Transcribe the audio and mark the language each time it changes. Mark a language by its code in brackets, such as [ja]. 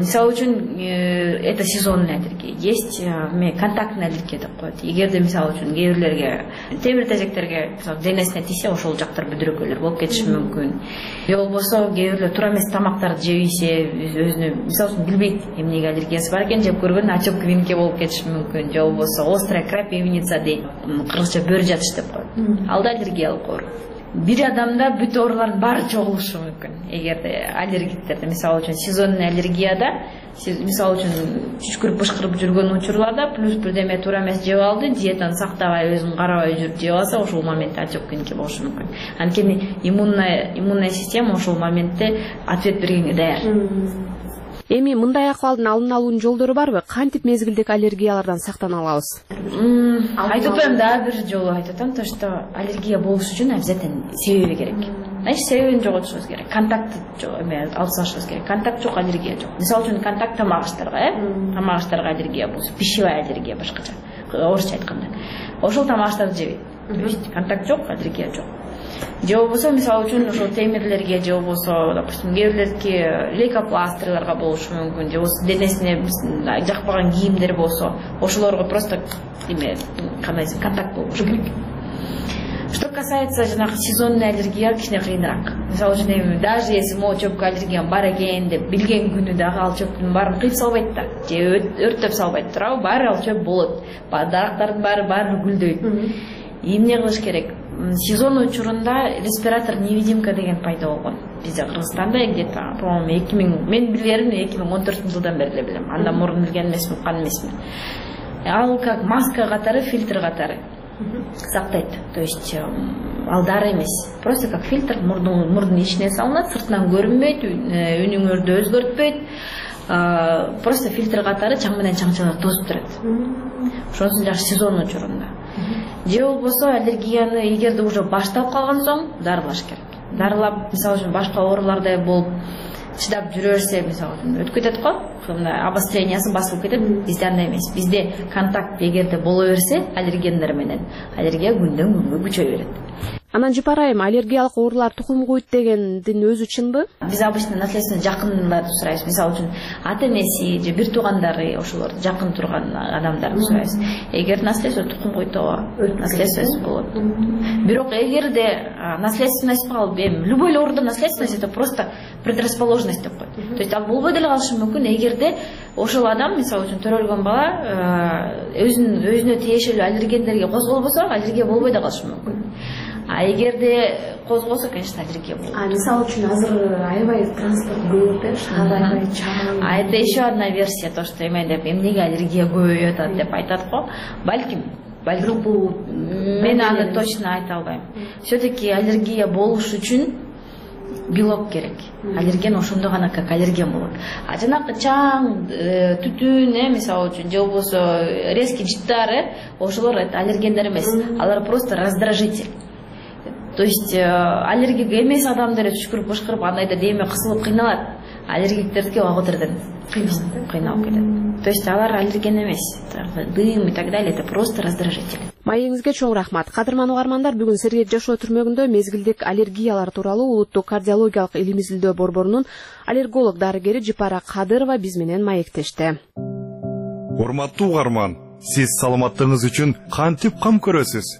[ky] Мисалы үчүн [ru] это сезонная аллергия. Есть контактная аллергия [ky] деп коет. Эгерде мисалы үчүн кээ бирлерге темир тежектерге денесине тийсе, ошол жактар бүдүрөгөлөр болуп кетиши мүмкүн. Же болбосо кээ бирлер туура эмес тамактарды жебесе, өзүнө мисалы үчүн билбейт эмнеге аллергиясы бар экен, жеп көргөн ачок квинке болуп кетиши мүмкүн. Же болбосо острая крапивница дейт, кыргызча бөрү жатыш деп коет. Ал да аллергиялык оору. Бир адамда бүт оорулардын баары чогулушу мүмкүн. Эгерде аллергиктерде мисалы үчүн сезонный аллергияда, мисалы үчүн чүчкүрүп бышкырып жүргөн учурларда плюс бирдеме туура эмес жеп алды, диетаны сактабай, өзүн карабай жүрүп жеп алса, ошол моментте ачок квинке болушу мүмкүн. Анткени иммунная система ошол моментте ответ бергенге даяр. Эми мындай акыбалдын алдын алуунун жолдору барбы? Кантип мезгилдик аллергиялардан сактана алабыз? Айтып атам, дагы бир жолу айтып атам, [ru] то что [ky] аллергия болуш үчүн обязательно себеби керек. [ru] Значит, [ky] себебин жоготушубуз керек. Контакты алып салышыбыз керек. Контакт жок, аллергия жок. Мисалы үчүн контакт тамакыштарга, тамакыштарга аллергия болсо, пищевая аллергия башкача, орусча айтканда. Ошол тамакыштарды жебейт. [ru] То есть [ky] контакт жок, аллергия жок. Же болбосо мисалы үчүн ошол темирлерге, же болбосо допустим кээ бирлерки лейкопластырларга болушу мүмкүн, же болбосо денесине жакпаган кийимдер болсо, ошолорго просто кандай десем контакт болбош керек. [ru] Что касается [ky] жанагы сезонный аллергия, кичине кыйыныраак. Мисалы үчүн эми [ru] даже если [ky] могу чөпкө аллергиям бар экен деп билген күнү дагы ал чөптүн баарын кыйып салбайт да, же өрттөп салбайт, туурабы? Баары ал чөп болот, дарактардын баары гүлдөйт. Эмне кылыш керек? Сезон учурунда респиратор невидимка деген пайда болгон бизде Кыргызстанда, [ru] где то по моему [ky] 2000 мен билерим, 2014 жылдан бери эле билем, андан мурун билген эмесмин, уккан эмесмин. Ал как маска катары, фильтр катары сактайт. [ru] То есть [ky] ал дары эмес. [ru] Просто как [ky] фильтр мурдун ичине салынат, сыртынан көрүнбөйт, үнүңөрдү өзгөртпөйт. Просто фильтр катары чаң менен чаңчылар тосуп турат. Ошонсун жакшы сезонун учурунда. Же болбосо аллергияны эгерде уже баштап калган соң дарылаш керек. Дарылап, мисалы үчүн башка оорулардай болуп чыдап жүрөрсө, мисалы үчүн өтүп кетет го, мына обостренияси басылып кетет, бизде андай эмес. Бизде контакт эгерде боло берсе аллергендер менен аллергия күндөн күнгө күчөй берет. Анан жупарайым, аллергиялык оорулар тукум куйт дегендин өзү чынбы? Биз обычно наследствен жакындарды сурайбыз. Мисалы үчүн ата энеси же бир туугандары ошолор жакын турган адамдарды сурайбыз. Эгер наследство тукум куйт деп наследство болот. Бирок эгерде наследственность болуп эми любой оорудан наследственность [ru] это просто предрасположенность [ky] деп коет. [ru] То есть [ky] ал болбой деле калышы мүмкүн эгерде ошол адам мисалы үчүн төрөлгөн бала өзүнө тиешелүү аллергендерге козголбосо аллергия болбой да калышы мүмкүн. А эгерде козголсо, [ru] конечно, [ky] аллергия болот. А мисалы үчүн азыр аябай транспорт көп, шаар аябай чаң. [ru] А это еще одна версия, то что [ky] эмнеге аллергия көбөйүп атат деп айтат го. Балким. Мен аны точно айта албайм. [ru] Все-таки [ky] аллергия болуш үчүн белок керек. Аллерген ошондо гана как аллерген болот. А жанакы чаң, түтүн, мисалы үчүн же болбосо резкий жыттары, ошолор аллергендер эмес. [ru] Алар просто раздражитель. То есть [ky] аллергик эмес адамдар түшкүрүп кышкырып андайда дээме кысылып кыйналат. Аллергиктерге багытырдан кыйналып кетет. [ru] То есть [ky] алар аллерген эмес. [ru] Дым и так далее это просто раздражитель. [ky] Маегиңизге чоң рахмат. Кадырман угармандар, бүгүн Сергек жашоо түрмөгүндө мезгилдик аллергиялар тууралуу улуттук кардиологиялык илимий изилдөө борборунун аллерголог дарыгери Жыпара Кадырова биз менен маектеште. Урматтуу угарман, сиз саламаттыгыңыз үчүн кантип кам көрөсүз?